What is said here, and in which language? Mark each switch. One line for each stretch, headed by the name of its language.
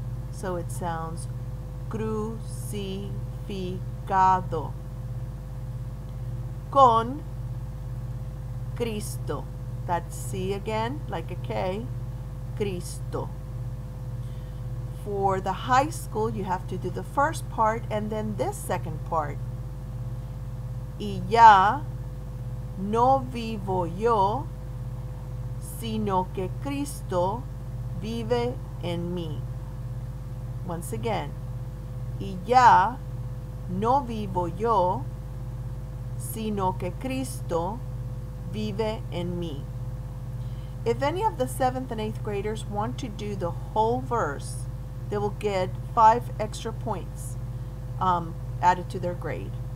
English: So it sounds
Spanish: crucificado con Cristo.
English: That C again, like a K, Cristo. For the high school, you have to do the first part and then this second part.
Spanish: Y ya no vivo yo, sino que Cristo vive en mí.
English: Once again.
Spanish: Y ya no vivo yo, sino que Cristo vive en mí.
English: If any of the 7th and 8th graders want to do the whole verse, they will get 5 extra points added to their grade.